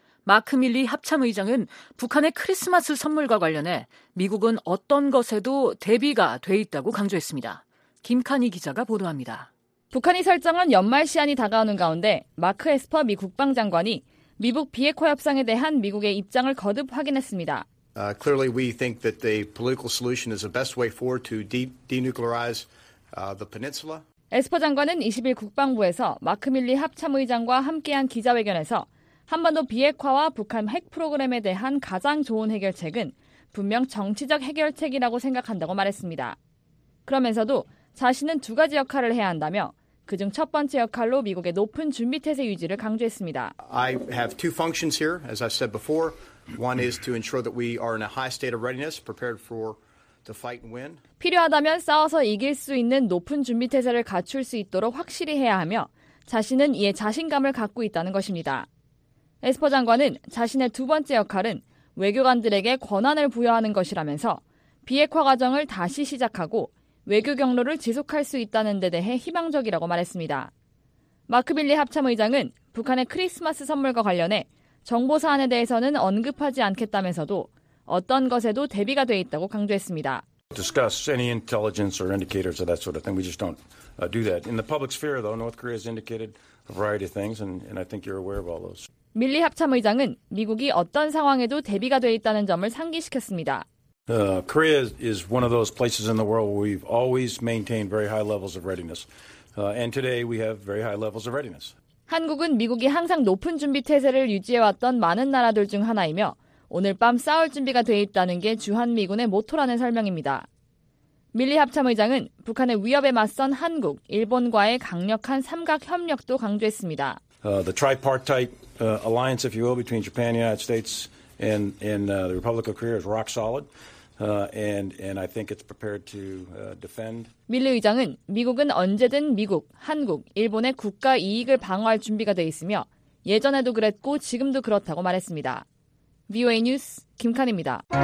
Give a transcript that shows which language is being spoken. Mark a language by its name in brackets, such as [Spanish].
[Korean] 마크 밀리 합참의장은 북한의 크리스마스 선물과 관련해 미국은 어떤 것에도 대비가 돼 있다고 강조했습니다. 김카니 기자가 보도합니다. 북한이 설정한 연말 시한이 다가오는 가운데 마크 에스퍼 미 국방장관이 미국 비핵화 협상에 대한 미국의 입장을 거듭 확인했습니다. [English] Clearly we think that the political solution is the best way forward to denuclearize the peninsula. [Korean] 에스퍼 장관은 20일 국방부에서 마크 밀리 합참의장과 함께한 기자회견에서 한반도 비핵화와 북한 핵 프로그램에 대한 가장 좋은 해결책은 분명 정치적 해결책이라고 생각한다고 말했습니다. 그러면서도 자신은 두 가지 역할을 해야 한다며 그중 첫 번째 역할로 미국의 높은 준비태세 유지를 강조했습니다. [English] I have two functions here, as I said before. One is to ensure that we are in a high state of readiness, prepared for to fight and win. [Korean] 필요하다면 싸워서 이길 수 있는 높은 준비태세를 갖출 수 있도록 확실히 해야 하며 자신은 이에 자신감을 갖고 있다는 것입니다. 에스퍼 장관은 자신의 두 번째 역할은 외교관들에게 권한을 부여하는 것이라면서 비핵화 과정을 다시 시작하고 외교 경로를 지속할 수 있다는 데 대해 희망적이라고 말했습니다. 마크 빌리 합참의장은 북한의 크리스마스 선물과 관련해 정보 사안에 대해서는 언급하지 않겠다면서도 어떤 것에도 대비가 돼 있다고 강조했습니다. [English] Discuss any intelligence or indicators or that sort of thing. We just don't do that. In the public sphere, though, North Korea has indicated a variety of things, and I think you're aware of all those. [Korean] 밀리 합참의장은 미국이 어떤 상황에도 대비가 돼 있다는 점을 상기시켰습니다. [English] Korea is one of those places in the world where we've always maintained very high levels of readiness. And today we have very high levels of readiness. [Korean] 한국은 미국이 항상 높은 준비 태세를 유지해왔던 많은 나라들 중 하나이며 오늘 밤 싸울 준비가 돼 있다는 게 주한미군의 모토라는 설명입니다. 밀리 합참의장은 북한의 위협에 맞선 한국, 일본과의 강력한 삼각협력도 강조했습니다. [English] The tripartite alliance, if you will, between Japan, United States, and the Republic of Korea is rock solid, and I think it's prepared to defend. [Korean] 밀리 의장은 미국은 언제든 미국, 한국, 일본의 국가 이익을 방어할 준비가 돼 있으며 예전에도 그랬고 지금도 그렇다고 말했습니다. VOA 뉴스 김칸입니다.